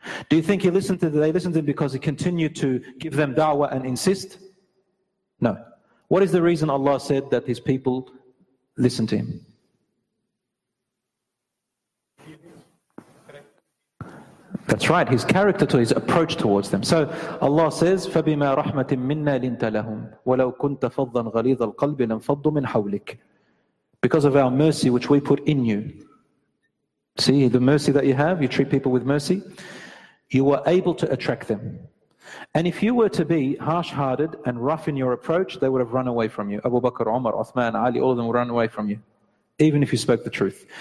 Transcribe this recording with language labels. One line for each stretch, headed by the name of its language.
English: Do you think they listened to him because he continued to give them da'wah and insist? No. What is the reason Allah said that his people listened to him? That's right, his character, to his approach towards them. So Allah says,
Arabic: فَبِمَا رَحْمَةٍ مِنَّا لِنْتَ لَهُمْ وَلَوْ كُنْتَ فَضًّا غَلِيظَ الْقَلْبِ لَنْفَضُّ مِنْ حَوْلِكَ.
English: Because of our mercy which we put in you. See, the mercy that you have, you treat people with mercy, you were able to attract them. And if you were to be harsh-hearted and rough in your approach, they would have run away from you. Abu Bakr, Umar, Uthman, Ali, all of them would run away from you, even if you spoke the truth.